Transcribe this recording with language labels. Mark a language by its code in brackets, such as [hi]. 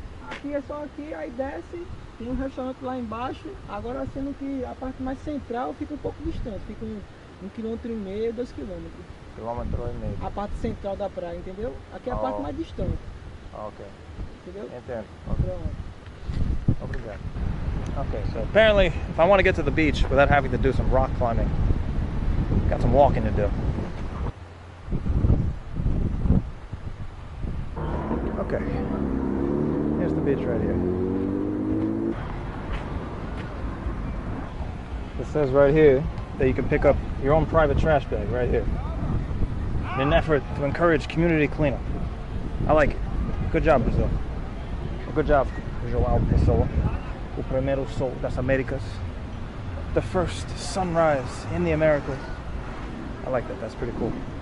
[pt] Aqui é só aqui, aí desce, tem um restaurante lá embaixo, agora sendo que a parte mais central fica um pouco distante, fica um quilômetro e meio, 2 quilômetros. Quilômetro e meio. A parte central da praia, entendeu? Aqui é a parte mais distante. Ok. Entendeu? Entendo. Pronto. Obrigado. [en] Ok, so apparently, if I want to get to the beach without having to do some rock climbing, got some walking to do. Okay, here's the beach right here. It says right here that you can pick up your own private trash bag right here in an effort to encourage community cleanup. I like it. Good job, Brazil. Good job, João Pessoa. [pt] O primeiro sol das Américas. [en] The first sunrise in the Americas. I like that. That's pretty cool.